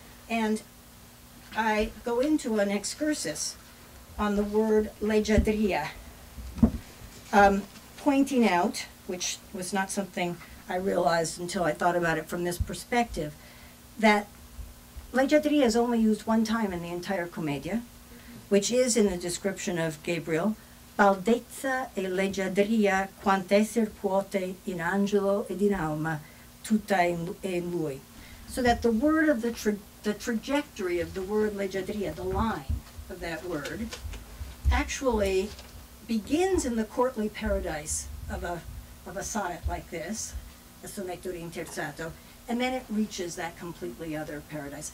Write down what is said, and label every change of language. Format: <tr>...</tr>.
<en>And I go into an excursus on the word leggiadria, pointing out, which was not something I realized until I thought about it from this perspective, that leggiadria is only used one time in the entire commedia, which is in the description of Gabriel.</en> <it>Baldezza e leggiadria quant'esser puote in angelo ed in alma tutta in lui.</it> <en>So that the word of the trajectory of the word leggiadria, the line of that word, actually begins in the courtly paradise of a sonnet like this, a</en> <it>sonetto rinterzato,</it> <en>and then it reaches that completely other paradise.</en>